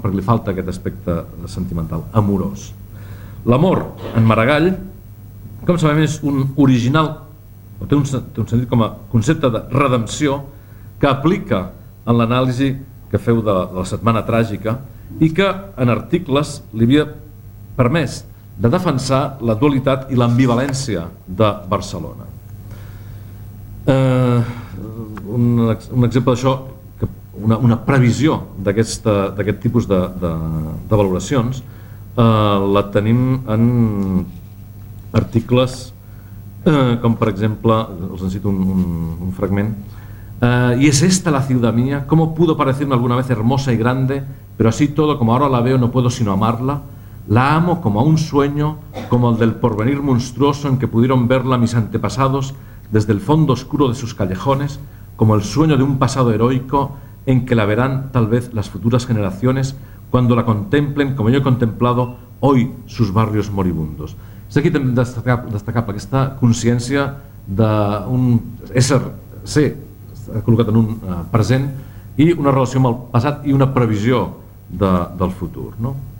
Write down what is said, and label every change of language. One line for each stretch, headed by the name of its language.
Catalan: Perquè li falta aquest aspecte sentimental, amorós. L'amor en Maragall, com sabem, és un original, o té un sentit com a concepte de redempció, que aplica en l'anàlisi que feu de la setmana tràgica i que en articles li havia permès de defensar la dualitat i l'ambivalència de Barcelona. Un exemple d'això, una previsió d'aquest tipus de valoracions, la tenim en articles com per exemple, els en cito un fragment,
Spanish: y es esta la ciudad mía, cómo pudo parecerme alguna vez hermosa y grande, pero así todo como ahora la veo no puedo sino amarla, la amo como a un sueño, como el del porvenir monstruoso en que pudieron verla mis antepasados desde el fondo oscuro de sus callejones, como el sueño de un pasado heroico en que la verán tal vez las futuras generaciones cuando la contemplen como yo he contemplado hoy sus barrios moribundos.
Catalan: És aquí també destacable aquesta consciència d'un ésser, ser col·locat en un present i una relació amb el passat i una previsió del futur. No?